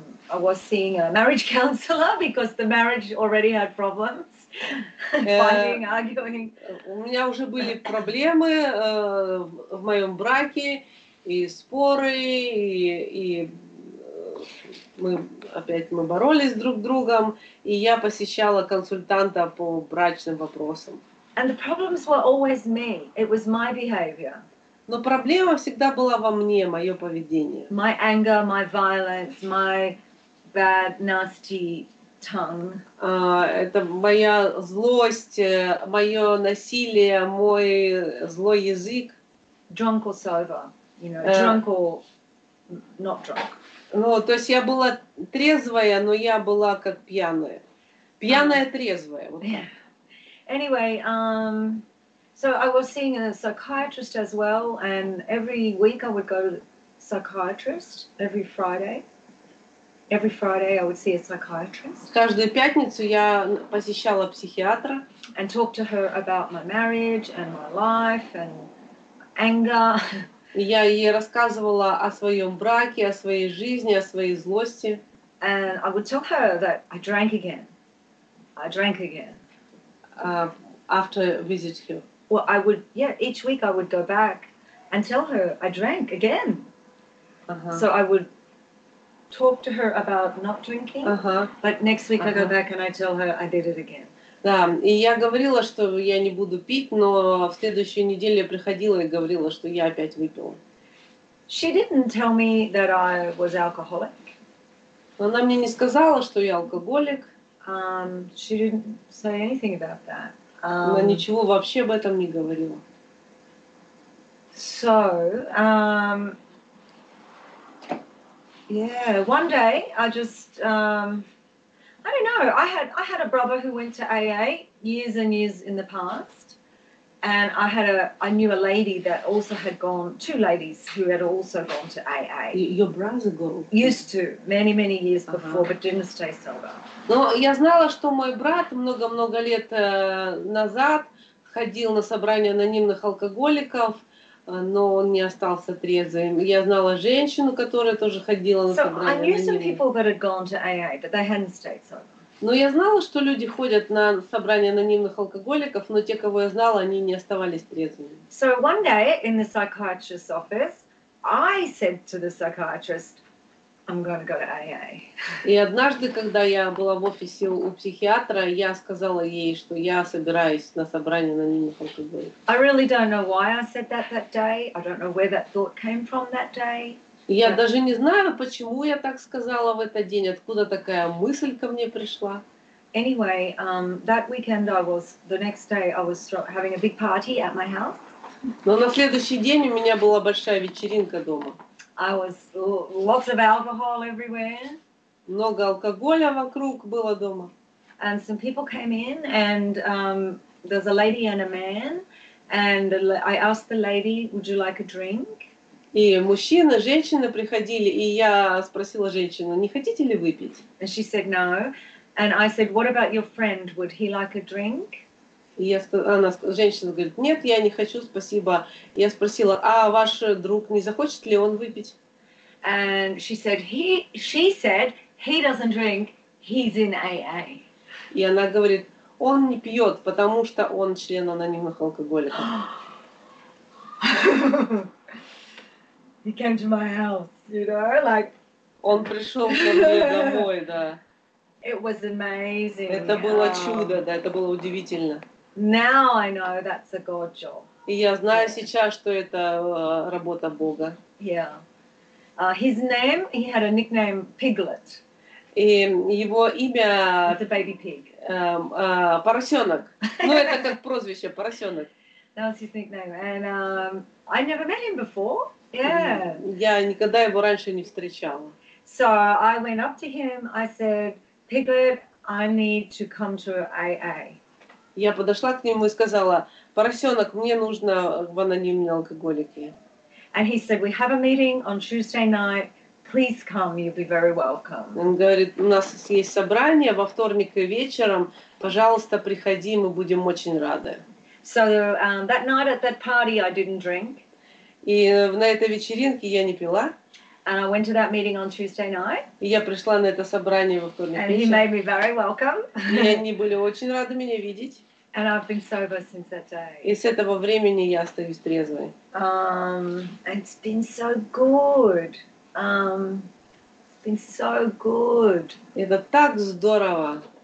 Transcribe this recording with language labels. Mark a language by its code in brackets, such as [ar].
[en] I was seeing a marriage counselor because the marriage already had problems. Fighting, arguing. [ru] У меня уже были проблемы в моем браке, и споры, и мы боролись друг с другом, и я посещала консультанта по брачным вопросам. [en] And the problems were always me. It was my behavior. [ru] Но проблема всегда была во мне, мое поведение. [en] My anger, my violence, my bad, nasty tongue. [ru] Это моя злость, мое насилие, мой злой язык. [en] Drunk or sober, you know, drunk or not drunk. [ru] Ну, то есть я была трезвая, но я была как пьяная. Пьяная трезвая. Вот. [en] Yeah. Anyway, so I was seeing a psychiatrist as well, and every week I would go to the psychiatrist every Friday. Every Friday I would see a psychiatrist. [ru] Каждую пятницу я посещала психиатра. [en] And talk to her about my marriage and my life and anger. [ru] Я ей рассказывала о своем браке, о своей жизни, о своей злости. [en] And I would tell her that I drank again. I drank again. After visit her. Well, I would, yeah, each week I would go back and tell her I drank again. Uh-huh. So I would talk to her about not drinking. Uh-huh. But next week uh-huh. I go back and I tell her I did it again. [ru] Да, и я говорила, что я не буду пить, но в следующую неделю я приходила и говорила, что я опять выпила. [en] She didn't tell me that I was alcoholic. [ru] Она мне не сказала, что я алкоголик. [en] She didn't say anything about that. [ru] Она ничего вообще об этом не говорила. [en] So, yeah, one day I just, I don't know. I had a brother who went to AA years and years in the past, and I knew a lady that also had gone. Two ladies who had also gone to AA. Your brother go used to many many years before, uh-huh. but didn't stay sober. [ru] Но я знала, что мой брат много-много лет назад ходил на собрание анонимных алкоголиков, но он не остался трезвым. Я знала женщину, которая тоже ходила на собрание анонимных. [en] So I knew some people that had gone to AA, but they hadn't stayed sober. [ru] Но я знала, что люди ходят на собрание анонимных алкоголиков, но те, кого я знала, они не оставались трезвыми. [en] So one day in the psychiatrist's office, I said to the psychiatrist, I'm gonna go to AA. [ru] И однажды, когда я была в офисе у психиатра, я сказала ей, что я собираюсь на собрание анонимных алкоголиков. [en] I really don't know why I said that day. I don't know where that thought came from that day. [ru] Я даже не знаю, почему я так сказала в этот день, откуда такая мысль ко мне пришла. [en] Anyway, that weekend the next day I was having a big party at my house. [ru] Но на следующий день у меня была большая вечеринка дома. [en] I was lots of alcohol everywhere. [ru] Много алкоголя вокруг было дома. [en] And some people came in, and there's a lady and a man, and I asked the lady, "Would you like a drink?" [ru] И мужчина, женщина приходили, и я спросила женщину, не хотите ли выпить? [en] And she said no, and I said, "What about your friend? Would he like a drink?" [ru] Женщина говорит, нет, я не хочу, спасибо. Я спросила, а ваш друг не захочет ли он выпить? [en] And she said, he doesn't drink, he's in AA. [ru] И она говорит, Он не пьет, потому что он член анонимных алкоголиков. [en] He came to my house, you know, like. [ru] Он пришел ко мне домой, да. [en] It was amazing. [ru] Это было чудо, да, это было удивительно. [en] Now I know that's a God job. [ru] И я знаю сейчас, что это работа Бога. [en] Yeah. His name, he had a nickname, Piglet. [ru] И его имя. [en] The baby pig. [ru] Поросенок. Ну это как прозвище, поросенок. [en] That was his nickname, and I never met him before. Yeah. [ru] Я никогда его раньше не встречала. [en] So I went up to him. I said, "Piglet, I need to come to AA." [ru] Я подошла к нему и сказала: "Поросенок, мне нужно в анонимные алкоголики." [en] And he said, "We have a meeting on Tuesday night. Please come. You'll be very welcome." [ru] Он говорит: "У нас есть собрание во вторник вечером. Пожалуйста, приходи, мы будем очень рады." [en] So that night at that party, I didn't drink. [ru] И на этой вечеринке я не пила. [en] And I went to that meeting on Tuesday night. [ru] И я пришла на это собрание во вторник. [en] And he made me very welcome. [ru] И они были очень рады меня видеть. [en] And I've been sober since that day. [ru] И с этого времени я остаюсь трезвой. [en] It's been so good. It's been so good. [ru] Это так здорово.